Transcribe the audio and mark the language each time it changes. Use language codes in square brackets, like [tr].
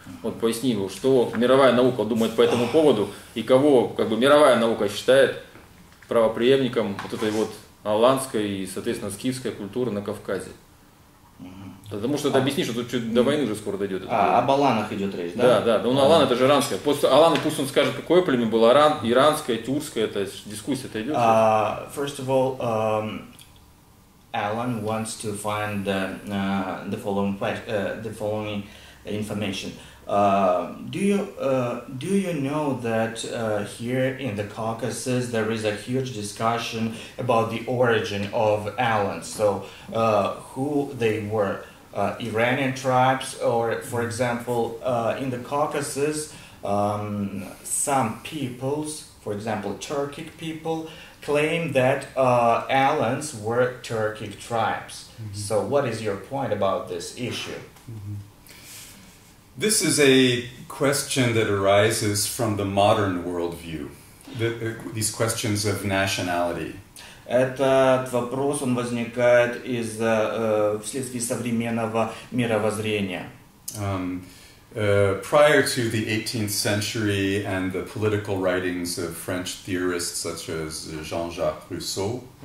[ru] Вот поясни его, что мировая наука думает по этому поводу, и кого, как бы, мировая наука считает правопреемником вот этой вот аланской и, соответственно, скифской культуры на Кавказе. Потому что ты объяснишь, что тут чуть до войны уже скоро дойдет. Об Аланах идет речь, да? Да, да. Но Алан это же иранское. Просто Алан, пусть он скажет, какое племя было, Аран, иранское, тюркское, это дискуссия-то идет. [en] First of all, Alan wants to find the following the following information. Do you know that here in the Caucasus there is a huge discussion about the origin of Alan? So who they were? Iranian tribes, or for example, in the Caucasus, some peoples, for example, Turkic people, claim that Alans were Turkic tribes. Mm-hmm. So, what is your point about this issue? Mm-hmm. This is a question that arises from the modern worldview, these questions of nationality. [ru] Этот вопрос, он возникает из вследствие современного мировоззрения. [en] Prior to the 18th century and the political writings of French theorists such as Jean-Jacques Rousseau,